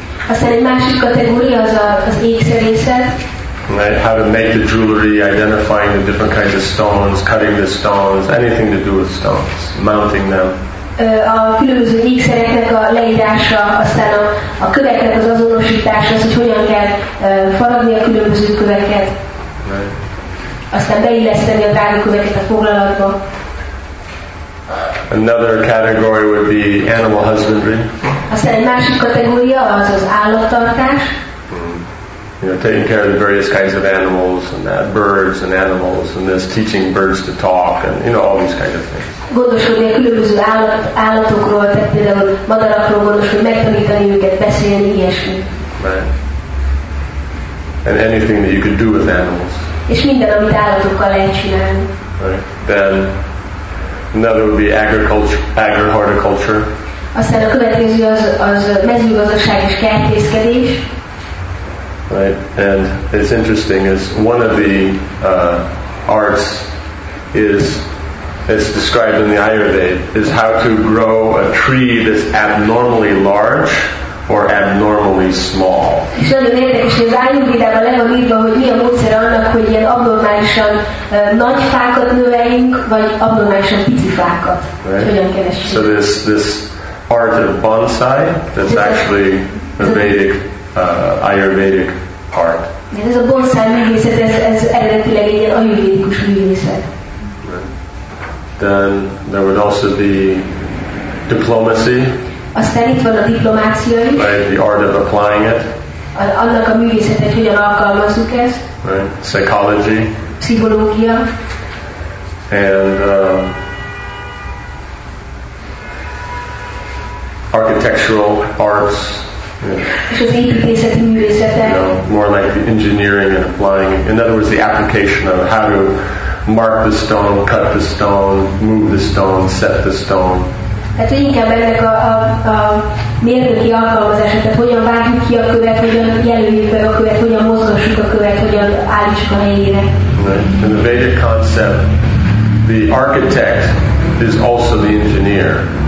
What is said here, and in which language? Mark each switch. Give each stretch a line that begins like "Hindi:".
Hungarian: Aztán egy másik kategória az az ékszerészet.
English: Right, how to make the jewelry, identifying the different kinds of stones, cutting the stones, anything to do with stones, mounting them.
Hungarian: A különböző ékszereknek a leírása, aztán a köveknek az azonosítása, az, hogy hogyan kell faragni a különböző köveket.
English: Right.
Hungarian: Aztán beilleszteni a drága köveket a foglalatba.
English: Another category would be animal husbandry.
Hungarian: Aztán egy másik kategória az az állattartás.
English: You know, taking care of the various kinds of animals and that, birds and animals, and this teaching birds to talk, and you know, all these kinds of things.
Hungarian: Gondoskodni a különböző állatokról, tehát például madarakról gondoskodni, megtanítani őket beszélni, ilyesmi.
English: Right. And anything that you could do with animals.
Hungarian: És minden, amit állatokkal lehet csinálni.
English: Right. Then another would be agriculture.
Hungarian: Aztán a következő az mezőgazdaság és kertészkedés.
English: Right, and it's interesting is one of the arts is, it's described in the Ayurveda, is how to grow a tree that's abnormally large or abnormally small.
Hungarian: És nagyon érdekes, hogy az Ayurvédában le van írva, hogy mi a módszer annak, hogy ilyen abnormálisan nagy fákat növeljünk, vagy abnormálisan pici fákat.
English: Right.
Hungarian: Hogyan keresünk?
English: So this art of bonsai, that's actually a Vedic Ayurvedic art.
Hungarian: Ez a bonsai művészet, ez eredetileg egy ayurvédikus művészet.
English: Then there would also be diplomacy.
Hungarian: Aztán itt van a diplomácia is.
English: Right, the art of applying it.
Hungarian: Annak a művészetet, hogyan alkalmazzuk ezt.
English: Right, psychology.
Hungarian: Pszichológia.
English: And architectural arts. Yeah. You know, more like the engineering and applying. In other words, the application of how to mark the stone, cut the stone, move the stone, set the stone.
Hungarian: Hát inkább ennek a mérnöki alkalmazása, tehát hogyan vágjuk ki a követ, hogyan jelöljük meg a követ, hogyan mozgassuk a követ, hogyan állítsuk a helyére.
English: Right. In the Vedic concept, the architect is also the engineer.